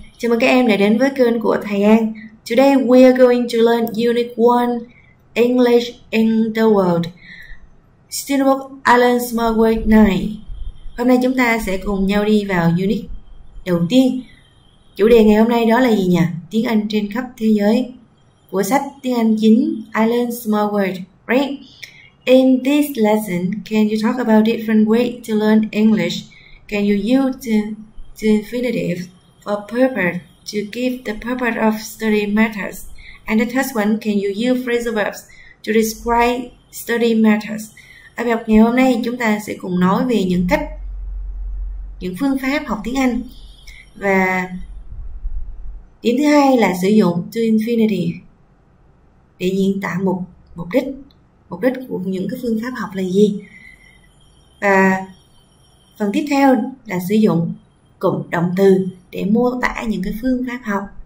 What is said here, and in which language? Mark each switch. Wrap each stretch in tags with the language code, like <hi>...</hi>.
<vi>Chào mừng các em đã đến với kênh của Thầy An.</vi> <en>Today we are going to learn Unit 1 English in the World.</en> <vi>Steamboat Island Smallwood 9. Hôm nay chúng ta sẽ cùng nhau đi vào Unit đầu tiên. Chủ đề ngày hôm nay đó là gì nhỉ? Tiếng Anh trên khắp thế giới. Của sách tiếng Anh chính Island Smallwood, right?</vi> <en>In this lesson, can you talk about different ways to learn English? Can you use the infinitive for purpose to give the purpose of study matters? And the third one, can you use phrasal verbs to describe study matters?</en> <vi>Ở bài học ngày hôm nay chúng ta sẽ cùng nói về những cách, những phương pháp học tiếng Anh. Và điểm thứ hai là sử dụng to infinitive để diễn tả mục đích. Mục đích của những cái phương pháp học là gì? Và phần tiếp theo là sử dụng cụm động từ để mô tả những cái phương pháp học.</vi>